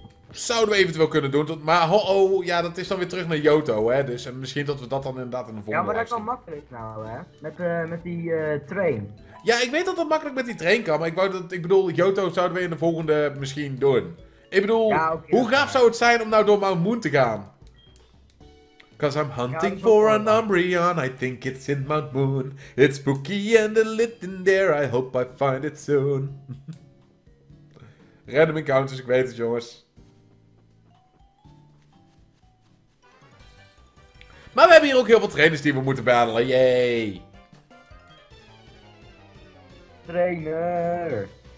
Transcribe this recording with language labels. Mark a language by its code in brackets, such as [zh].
[nl] Zouden we eventueel kunnen doen, maar uh-oh, ja, dat is dan weer terug naar Johto, hè. Dus misschien dat we dat dan inderdaad in de volgende. Ja, maar dat is wel makkelijk nou, hè. Met die train. Ja, ik weet dat dat makkelijk met die train kan, maar ik bedoel, Johto zouden we in de volgende misschien doen. Ik bedoel, ja, okay, hoe gaaf zou het zijn om nou door Mount Moon te gaan? [en] Cause I'm hunting for an Umbreon, I think it's in Mount Moon. It's spooky and a lit in there, I hope I find it soon. [nl] Random encounters, ik weet het jongens. Maar we hebben hier ook heel veel trainers die we moeten battelen, yay! Trainer!